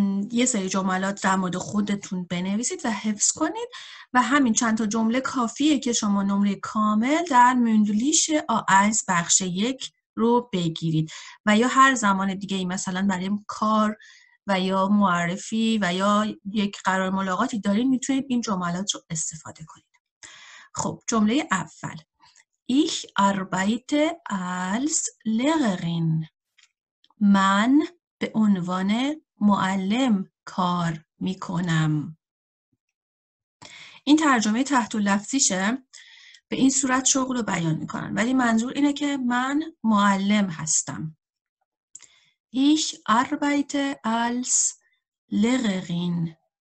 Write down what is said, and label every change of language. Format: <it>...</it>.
<fa>یه سری جملات در مورد خودتون بنویسید و حفظ کنید و همین چند تا جمله کافیه که شما نمره کامل در مندلیش آ1 بخش 1 رو بگیرید و یا هر زمان دیگه ای مثلا برای کار و یا معرفی و یا یک قرار ملاقاتی دارید میتونید این جملات رو استفاده کنید. خب جمله اول:</fa> <de>Ich arbeite als Lehrerin.</de> <fa>من به عنوان معلم کار میکنم. این ترجمه تحت لفظیشه به این صورت شغل رو بیان میکنن، ولی منظور اینه که من معلم هستم.</fa> <de>Ich arbeite als Lehrerin.</de>